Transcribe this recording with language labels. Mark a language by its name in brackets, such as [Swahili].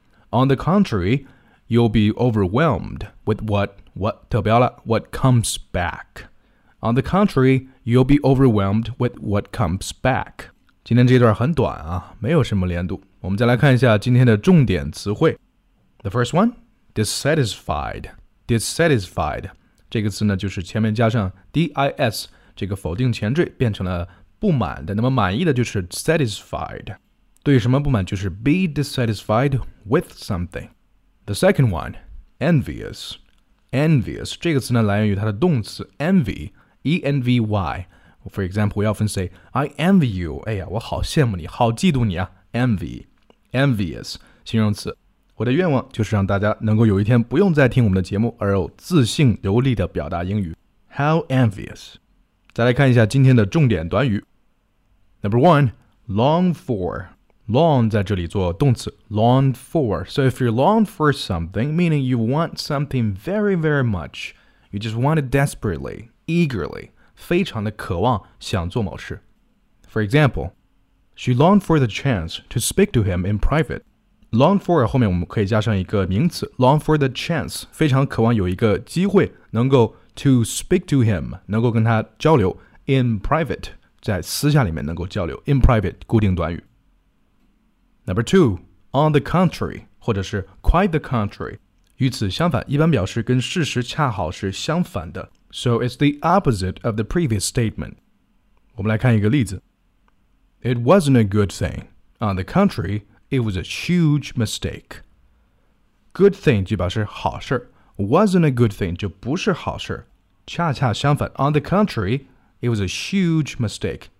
[English] On the contrary, you'll be overwhelmed with what comes back. On the contrary, you'll be overwhelmed with what comes back. [Chinese] 今天这段很短啊，没有什么连读。我们再来看一下今天的重点词汇。 [English] The first one, dissatisfied. [Chinese] 这个词呢，就是前面加上 dis 这个否定前缀，变成了不满的。那么满意的就是 satisfied. 对什么不满就是 [English] be dissatisfied with something. The second one, envious. Envious, [Chinese] 这个词呢来源于它的动词 [English] envy, E-N-V-Y. For example, we often say, I envy you. [Chinese] 哎呀，我好羡慕你，好嫉妒你啊。Envy, envious, 形容词。我的愿望就是让大家能够有一天不用再听我们的节目而又自信流利地表达英语。 [English] How envious. [Chinese] 再来看一下今天的重点短语。 [English] Number one, long for. Long [Chinese] 在这里做动词 [English] long for. So if you're long for something, meaning you want something very, very much, you just want it desperately, eagerly, [Chinese] 非常的渴望想做某事。 [English] For example, she longed for the chance to speak to him in private. [Chinese] Long for 后面我们可以加上一个名词 [English] long for the chance, [Chinese] 非常渴望有一个机会能够 [English] to speak to him, [Chinese] 能够跟他交流 in private, 在私下里面能够交流 in private, 固定短语。 [English] Number two, on the contrary, [Chinese] 或者是 [English] quite the contrary. [Chinese] 与此相反，一般表示跟事实恰好是相反的。 [English] So it's the opposite of the previous statement. [Chinese] 我们来看一个例子。 [English] It wasn't a good thing. On the contrary, it was a huge mistake. Good thing [Chinese] 就表示好事。 [English] Wasn't a good thing [Chinese] 就不是好事。恰恰相反 [English] ,on the contrary, it was a huge mistake.